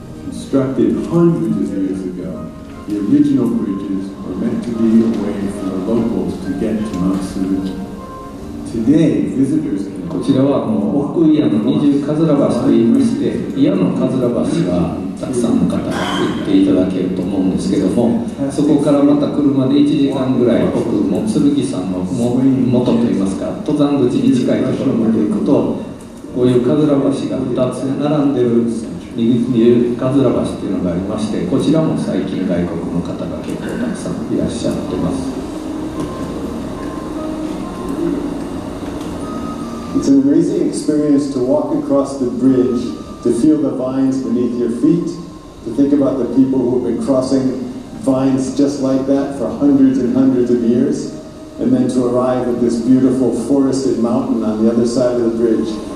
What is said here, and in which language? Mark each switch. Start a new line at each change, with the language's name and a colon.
English: Constructed hundreds of years ago, the original bridges were meant to be a way for the locals to get to Mount Tsurugi. Today, visitors can...
Japanese: こちらはもう Oku Iya の Iju Kazunabashi と言いまして、Iya の Kazunabashi はたくさんの方が行っていただけると思うんですけども、そこからまた車で1時間ぐらい奥の剣山の元といいますか、登山口に近いところまで行くと、こういうかずら橋が2つ並んでいるかずら橋っていうのがありまして、こちらも最近外国の方が結構たくさんいらっしゃってます。
English: It's an amazing experience to walk across the bridge. To feel the vines beneath your feet, to think about the people who have been crossing vines just like that for hundreds and hundreds of years, and then to arrive at this beautiful forested mountain on the other side of the bridge.